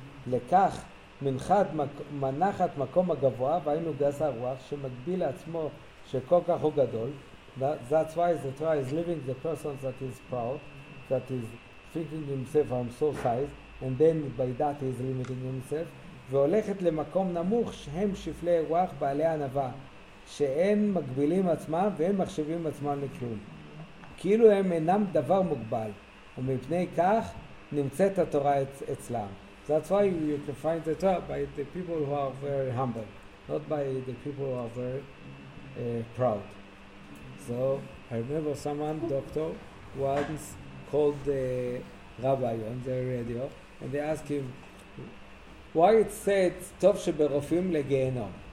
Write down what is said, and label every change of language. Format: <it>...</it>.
<he>לכך מנחת מנחת מקום הגבוה, והיינו גס הרוח שמקביל לעצמו שכל כך הוא גדול.</he> <en>That's why the Torah is leaving the person that is proud, that is thinking himself I'm so size, and then by that he is limiting himself.</en> <he>והולכת למקום נמוך שהם שפלי רוח בעלי ענווה, שהם מגבילים עצמם והם מחשבים עצמם לכלום, כאילו הם אינם דבר מוגבל, ומפני כך נמצאת התורה אצלם.</he> <en>That's why you can find the Torah by the people who are very humble, not by the people who are very proud. So I remember someone, doctor, once called the rabbi on the radio, and they asked him, why it said, Tov sheberofim legeinom?</en>